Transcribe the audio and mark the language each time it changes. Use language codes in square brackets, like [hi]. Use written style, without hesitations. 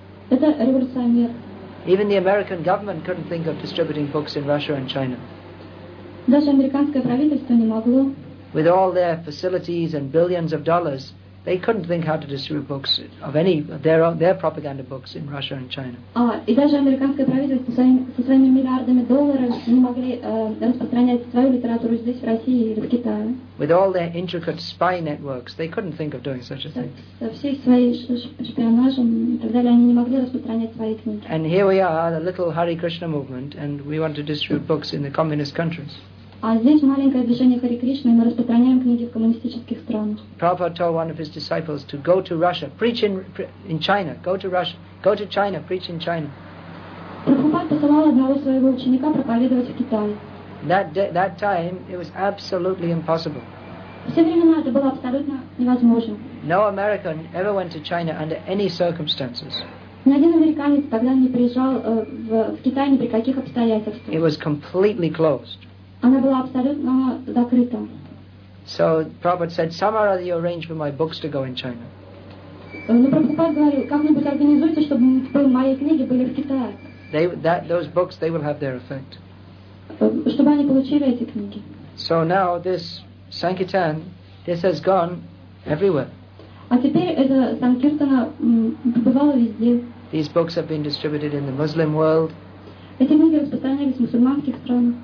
[en] Even the American government couldn't think of distributing books in Russia and China. With all their facilities and billions of dollars, They couldn't think how to distribute books of any their propaganda books in Russia and China. [ru] И даже американское правительство со своими миллиардами долларов не могли распространять свою литературу здесь в России или в Китае. [en] With all their intricate spy networks, they couldn't think of doing such a thing. [ru] Со всей своей шпионажем и так далее, они не могли распространять свои книги. [en] And here we are, the little Hare Krishna movement, and we want to distribute books in the communist countries. [ru] А здесь маленькое движение Хари Кришны, мы распространяем книги в коммунистических странах. [en] Prabhupada told one of his disciples to go to Russia, preach in China. Go to Russia, go to China, preach in China. [ru] Прабхупада посылал одного своего ученика проповедовать в Китае. [en] That time it was absolutely impossible. [ru] Все времена это было абсолютно невозможно. [en] No American ever went to China under any circumstances. [ru] Ни один американец тогда не приезжал в Китай ни при каких обстоятельствах. [en] It was completely closed. [ru] Она была абсолютно закрыта. [en] So Prabhupada said, somehow or other you arrange for my books to go in China. [ru] Но Прабхупада говорил, как-нибудь организуйте, чтобы мои книги были в Китае. [en] Those books, they will have their effect. [ru] Чтобы они получили эти книги. [en] So now this Sankirtan, this has gone everywhere. [ru] А теперь эта Санкиртана побывала везде. [en] These books have been distributed in the Muslim world. [ru] Эти книги распространялись в мусульманских странах.